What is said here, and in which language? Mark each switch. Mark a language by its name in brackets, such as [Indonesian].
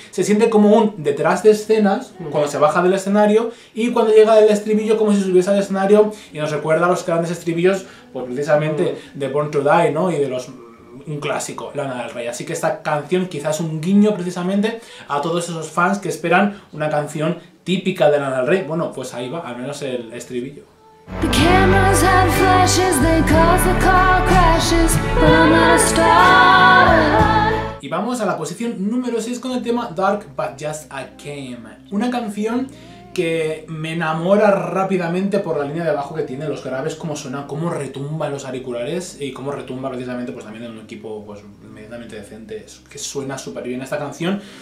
[Spanish] Se siente como un detrás de escenas, cuando se baja del escenario, y cuando llega el estribillo como si subiese al escenario y nos recuerda a los grandes estribillos, pues precisamente de Born to Die, ¿no? Y de los... un clásico, Lana del Rey. Así que esta canción quizás un guiño precisamente a todos esos fans que esperan una canción típica de Lana del Rey. Bueno, pues ahí va, al menos el estribillo. [English] The cameras had flashes, they caused the car crashes, but I'm not a star. [Spanish] Y vamos a la posición número 6 con el tema Dark But Just I Came. Una canción que me enamora rápidamente por la línea de bajo que tiene, los graves, cómo suena, cómo retumba en los auriculares y cómo retumba precisamente pues también en un equipo pues medianamente decente, que suena súper bien esta canción.